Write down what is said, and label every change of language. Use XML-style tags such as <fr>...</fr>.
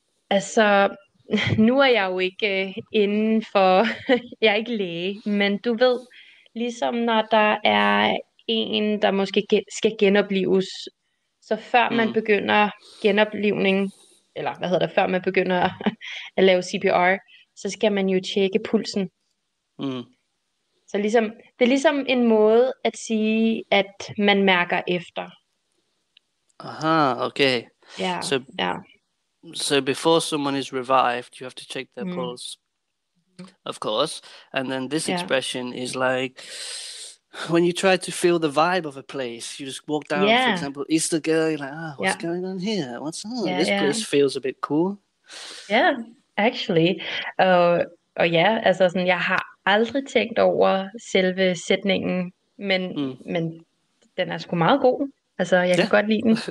<da>Altså, nu er jeg jo ikke inden for, jeg er ikke læge, men du ved, ligesom når der er en, der måske skal genoplives, så før man begynder genoplivning, eller hvad hedder det, før man begynder at lave CPR, så skal man jo tjekke pulsen. Mm. Så ligesom, det er ligesom en måde at sige, at man mærker efter. Aha, okay. Yeah.</da> <en>So before someone is revived, you have to check their pulse, of course. And then this expression is like, when you try to feel the vibe of a place, you just walk down, for example, Istegade, you're like, what's going on here? What's on? This place feels a bit cool. Yeah, actually.</en> <da>Altså sådan, jeg har aldrig tænkt over selve sætningen, men den er sgu meget god. Altså, jeg kan godt lide den.</da>